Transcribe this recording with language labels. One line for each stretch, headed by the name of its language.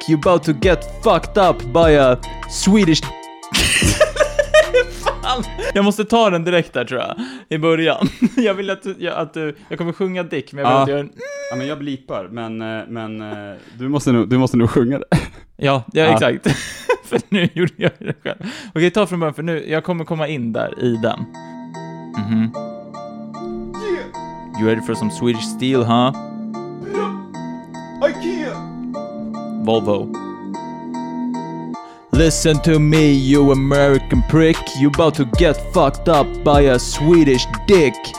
English: You about to get fucked up by a Swedish...
Swedish: Jag måste ta den direkt där, tror jag. I början. Jag vill att du jag kommer sjunga Dick, men jag vill att du gör en... Ja, men jag blipar, men du måste nu sjunga det. Ja, exakt. För nu gjorde jag det själv. Okej, ta från början, för nu jag kommer komma in där i den. Mm-hmm.
English: Yeah. You ready for some Swedish steel, huh? No. IKEA. Volvo. Listen to me, you American prick. You about to get fucked up by a Swedish dick.